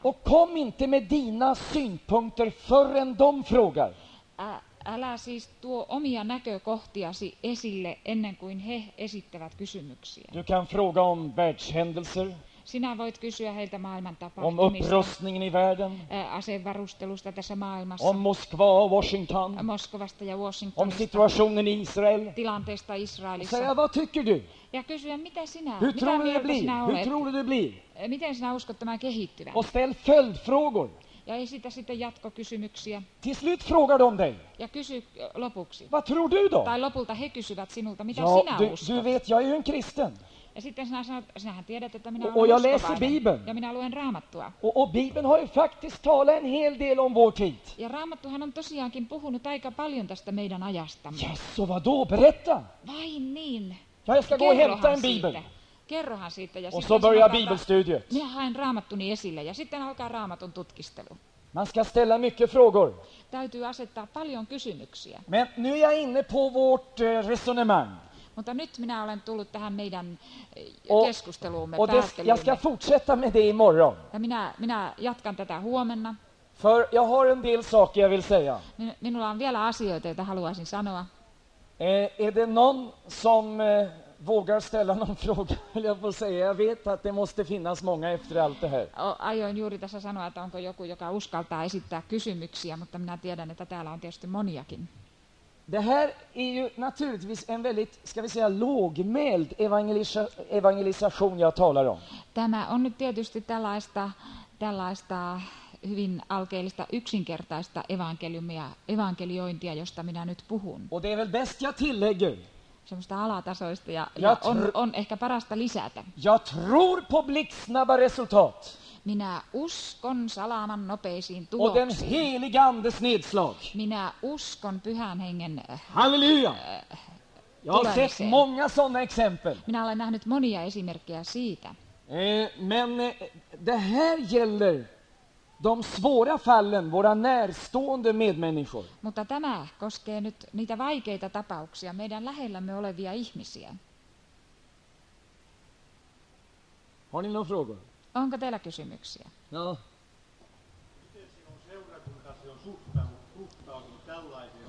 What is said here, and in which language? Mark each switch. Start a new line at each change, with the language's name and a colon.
Swedish: Och kom inte med dina synpunkter förrän de frågar.
Finnish: Älä siis tuo omia näkökohtiasi esille ennen kuin he esittävät kysymyksiä.
Swedish: Du kan fråga om världshändelser.
Finnish: Sinä voit kysyä heiltä maailman tapahtumista.
Swedish: Om upprustningen i världen.
Finnish: Asevarustelusta tässä maailmassa.
Swedish: Om Moskva och Washington.
Finnish: Moskovasta ja Washingtonista.
Swedish: Om situationen i Israel.
Finnish: Tilanteesta Israelissa.
Swedish: Säga, vad tycker du?
Finnish: Ja kysyä, mitä sinä?
Swedish: Hur tror du det blir? Hur tror du det blir?
Finnish: Miten sinä uskot tämän kehittyvän?
Swedish: Och ställ följdfrågor.
Finnish: Ja esitä sitten jatkokysymyksiä.
Swedish: Till slut frågar de dig.
Finnish: Ja kysy lopuksi.
Swedish: Vad tror du då?
Finnish: Tai lopulta he kysyvät sinulta, mitä ja, sinä
Swedish: du,
Finnish: uskot?
Swedish: Du vet, jag är ju en kristen.
Finnish: Ja sitten sinä sanot, sinähän tiedät, että minä olen uskovainen. Ja minä luen Raamattua.
Swedish: Och Bibeln har ju faktiskt talat en hel del om vår tid.
Finnish: Ja Raamattuhan on tosiaankin puhunut aika paljon tästä meidän ajastamme.
Swedish: Jasså, vadå? Berätta!
Finnish: Vai niin.
Swedish: Ja, jag ska gå och hämta en Bibel.
Finnish: Kerrohan siitä. Ja
Swedish: och så börjar Bibelstudiet.
Finnish: Minä haen Raamattuni esille ja sitten alkaa Raamatun tutkistelu.
Swedish: Man ska ställa mycket frågor.
Finnish: Täytyy asettaa paljon kysymyksiä.
Swedish: Men nu är jag inne på vårt resonemang.
Finnish: Mutta nyt minä olen tullut tähän meidän keskusteluumme päättelyymme.
Swedish: Jag ska fortsätta med det imorgon.
Finnish: Ja minä jatkan tätä huomenna.
Swedish: För jag har en del saker jag vill säga.
Finnish: Minulla on vielä asioita, joita haluaisin sanoa.
Swedish: Är det någon som vågar ställa någon fråga? Vill jag få säga, jag vet att det måste finnas många efter allt det här.
Finnish: Aion juuri tässä sanoa, että onko joku, joka uskaltaa esittää kysymyksiä, mutta minä tiedän, että täällä on tietysti moniakin.
Swedish: Det här är ju naturligtvis en väldigt, ska vi säga, lågmäld evangelisation jag talar om.
Finnish: Tämä on nyt tietysti tällaista hyvin alkeellista yksinkertaista evankeliointia, josta minä nyt puhun.
Swedish: Och det är väl bäst jag tillägger.
Finnish: Semmoista alatasoista ja on ehkä parasta lisätä.
Swedish: Jag tror på blixtsnabba resultat.
Finnish: Minä uskon salaman nopeisiin tuloksiin.
Swedish: Och den helige andes nedslag.
Finnish: Minä uskon pyhän hengen. Halleluja.
Swedish: Jag har sett många såna exempel.
Finnish: Minä olen nähnyt monia esimerkkejä siitä.
Swedish: Men det här gäller de svåra fallen, våra närstående medmänniskor.
Finnish: Mutta tämä koskee nyt niitä vaikeita tapauksia, meidän lähellämme olevia ihmisiä.
Swedish: Har ni någon fråga?
Finnish: Onko teillä kysymyksiä? No. Miten sinun seurakuntasi on suhtautunut tällaiseen